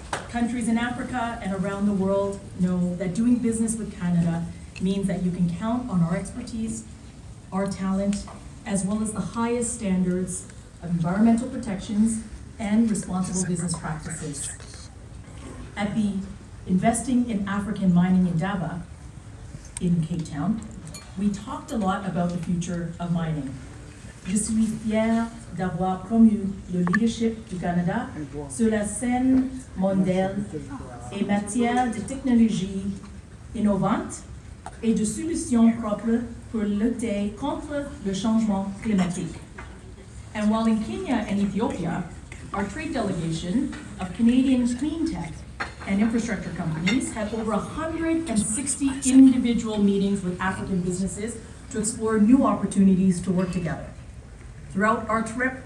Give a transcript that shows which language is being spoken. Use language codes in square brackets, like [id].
[en] Countries in Africa and around the world know that doing business with Canada means that you can count on our expertise, our talent, as well as the highest standards of environmental protections and responsible business practices. At the Investing in African Mining Indaba in Cape Town, we talked a lot about the future of mining. [fr] Je suis fier d'avoir promu le leadership du Canada sur la scène mondiale en matière de technologie innovante et de solutions propres pour lutter contre le changement climatique. [en] And while in Kenya and Ethiopia, our trade delegation of Canadian clean tech and infrastructure companies had over 160 individual meetings with African businesses to explore new opportunities to work together. Throughout our trip,